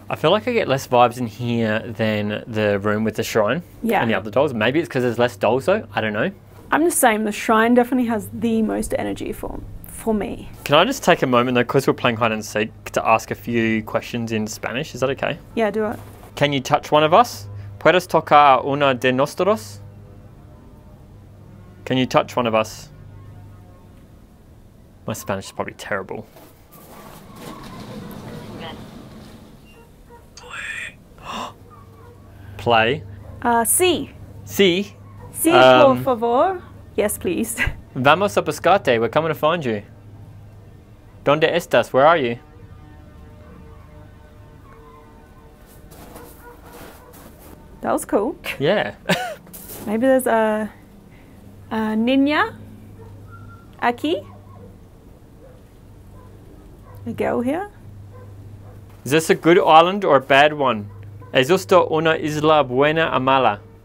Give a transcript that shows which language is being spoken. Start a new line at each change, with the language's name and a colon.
English: I feel like I get less vibes in here than the room with the shrine. Yeah. And the other dolls. Maybe it's because there's less dolls though. I don't know. I'm just saying the shrine definitely has the most energy for me. Can I just take a moment though, because we're playing hide and seek, to ask a few questions in Spanish? Is that okay? Yeah, do it. Can you touch one of us?
Spanish: ¿Puedes tocar una de nosotros?
English: Can you touch one of us? My Spanish is probably terrible. Play. Play?
Spanish: Sí. Sí. Sí, por favor.
English: Yes, please.
Spanish: Vamos a pescarte.
English: We're coming to find you.
Spanish: ¿Dónde estás?
English: Where are you? That was cool. Yeah. Maybe there's a
Spanish: niña aquí?
English: A girl here? Is this a good island or a bad one?
Spanish: ¿Es esto una isla buena o mala?